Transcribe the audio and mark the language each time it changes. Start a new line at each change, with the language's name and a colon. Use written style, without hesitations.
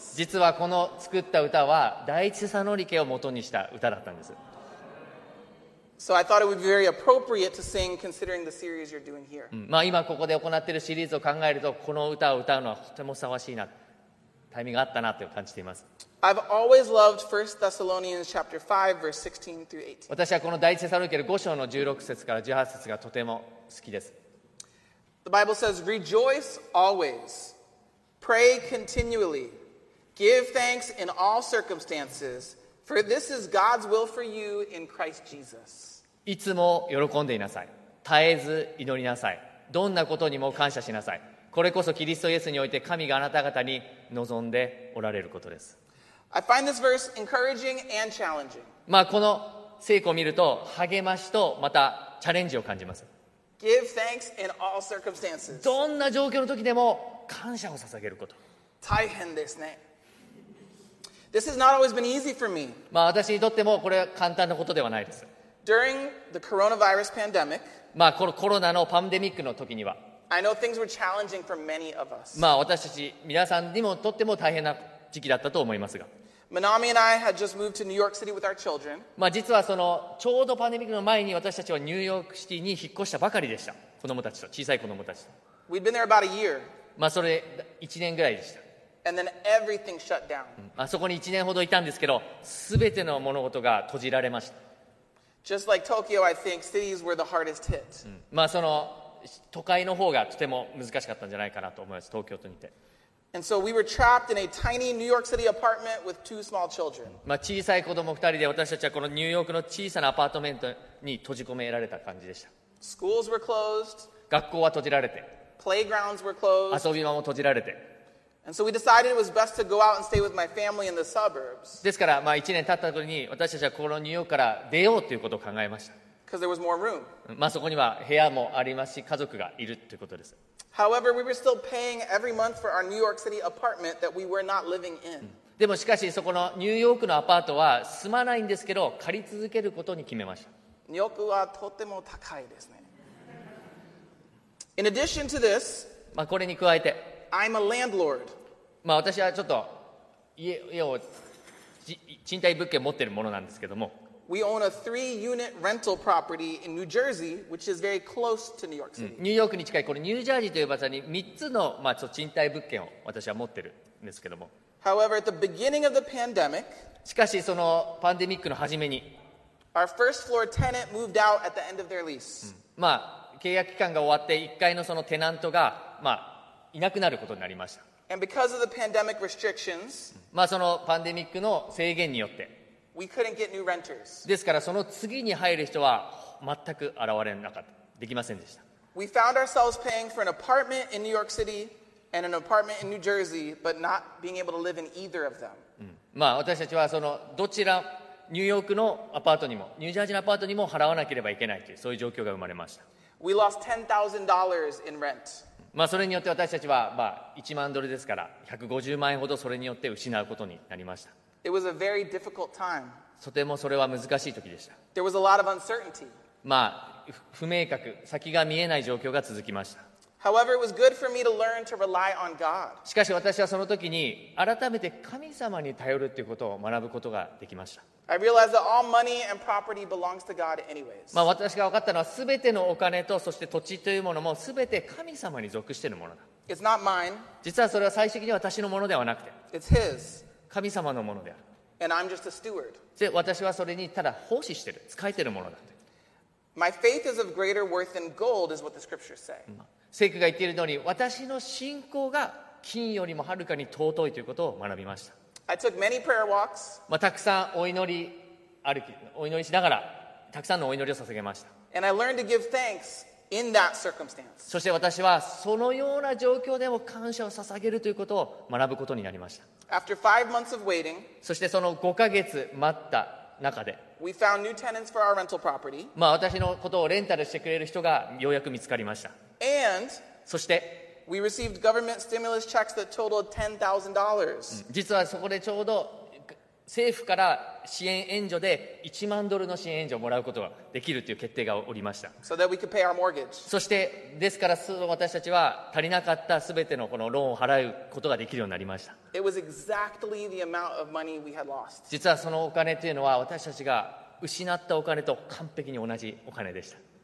Japanese: 実はこの作った歌は第1テサロニケを元にした歌だったんです。
English: So I thought it would be very appropriate to sing considering the series you're doing here.
Japanese: まあ今ここで行っているシリーズを考えるとこの歌を歌うのはとてもふさわしいな、タイミングがあったなと感じています。
English: I've always loved 1 Thessalonians chapter 5 verse 16 through 18.
Japanese: 私はこの第1テサロニケの5章の16節から18節がとても好きです。
English: The Bible says, Rejoice always, pray continually, give thanks in all circumstances, for this is God's will for you in Christ Jesus.
Japanese: いつも喜んでいなさい。絶えず祈りなさい。どんなことにも感謝しなさい。これこそキリストイエスにおいて神があなた方に望んでおられることです。
English: I find this verse encouraging and challenging.
Japanese: まあこの聖句を見ると励ましとまたチャレンジを感じます。
English: Give thanks in all circumstances.
Japanese: どんな状況の時でも感謝を捧げること。大変ですね。
English: This has not always been easy for me.
Japanese: まあ私にとってもこれは簡単なことではないです。
English: During the coronavirus pandemic,
Japanese: まあこのコロナのパンデミックの時には
English: I know things were challenging for many of us.
Japanese: まあ私たち皆さんにもとっても大変な時期だったと思いますが。
English: Manami and I had just moved to New York City with our children.
Japanese: まあ実はそのちょうどパンデミックの前に私たちはニューヨークシティに引っ越したばかりでした。子供たちと小さい子供たちと。
English: We'd been there about a year.
Japanese: まあそれ1年ぐらいでした。
English: And then everything shut down.
Japanese: あそこに1年ほどいたんですけど、すべての物事が閉じられました。
English: Just like Tokyo, I think cities were the hardest hit.
Japanese: まあその都会の方がとても難しかったんじゃないかなと思います。東京都にて。
English: And so we were trapped in a tiny New York City apartment with two small children.
Japanese: まあ小さい子供2人で私たちはこのニューヨークの小さなアパートメントに閉じ込められた感じでした。
English: Schools were closed.
Japanese: 学校は閉じられて。
English: Playgrounds were closed.
Japanese: 遊び場も閉じられて。
English: And so we decided it was best to go out and stay with my family in the suburbs.
Japanese: ですからまあ1年経った時に私たちはこのニューヨークから出ようということを考えました。
English: Because there was more room.
Japanese: まあそこには部屋もありますし家族がいるということです。
English: However, we were still paying every month for our New York City apartment that we were not living in.
Japanese: でもしかしそこのニューヨークのアパートは住まないんですけど借り続けることに決めました。ニューヨークはとても高いですね。
English: In addition to this,
Japanese: まあこれに加えて
English: I'm a landlord.
Japanese: まあ私はちょっと家を賃貸物件持ってるものなんですけども、
English: We own a three-unit rental property in New Jersey, which is very close to New York City.
Japanese: ニューヨークに近いこのニュージャージーという場所に3つの、まあ、賃貸物件を私は持ってるんですけども。
English: However, at the beginning of the pandemic,
Japanese: しかしそのパンデミックの初めに、
English: our first floor tenant moved out at the end of their lease.
Japanese: まあ契約期間が終わって1階のそのテナントがまあいなくなることになりました。
English: And because of the pandemic restrictions,
Japanese: まあそのパンデミックの制限によって。
English: We couldn't get new renters.
Japanese: ですからその次に入る人は全く現れなかった、できませんでした。
English: We found ourselves paying for an apartment in New York City and an apartment in New Jersey, but not being able to live in either of them.
Japanese: まあ私たちはそのどちらニューヨークのアパートにもニュージャージーのアパートにも払わなければいけないというそういう状況が生まれました。
English: We lost $10,000 in rent.
Japanese: まあそれによって私たちはまあ1万ドルですから150万円ほどそれによって失うことになりました。
English: It was a very difficult time.
Japanese: とてもそれは難しい時でした。
English: There was a lot of uncertainty.
Japanese: まあ、不明確、先が見えない状況が続きました。
English: However, it was good for me to learn to rely on God.
Japanese: しかし私はその時に改めて神様に頼るということを学ぶことができました。
English: I realized that all money and property belongs to God anyways.
Japanese: まあ私が分かったのは全てのお金とそして土地というものも全て神様に属しているものだ。
English: It's not mine.
Japanese: 実はそれは最終的に私のものではなくて。
English: It's His.
Japanese: 神様のものである。
English: And I'm just a steward.
Japanese: 私はそれにただ奉仕してる、使えてるものだって。
English: My faith is of greater worth than gold, is what the scriptures say.
Japanese: 聖句が言っているのに、私の信仰が金よりもはるかに尊いということを学びました。
English: I took many prayer walks.
Japanese: まあ、たくさんお祈り歩き、お祈りしながら、たくさんのお祈りを捧げました。
English: And I learned to give thanks in that circumstance.
Japanese: そして私はそのような状況でも感謝を捧げるということを学ぶことになりました。
English: After five months of waiting,
Japanese: そしてその5ヶ月待った中で、
English: we found new tenants for our rental property.
Japanese: まあ私のことをレンタルしてくれる人がようやく見つかりました。
English: And,
Japanese: そして、
English: we received government stimulus checks that totaled $10,000.
Japanese: 実はそこでちょうど政府から支援援助で1万ドルの支援援助をもらうことができるという決定がおりました。
English: So that we could pay our mortgage.
Japanese: そして、ですから私たちは足りなかったすべてのこのローンを払うことができるようになりました。
English: It was exactly the amount of money we had lost.
Japanese: 実はそのお金というのは私たちが失ったお金と完璧に同じお金でした。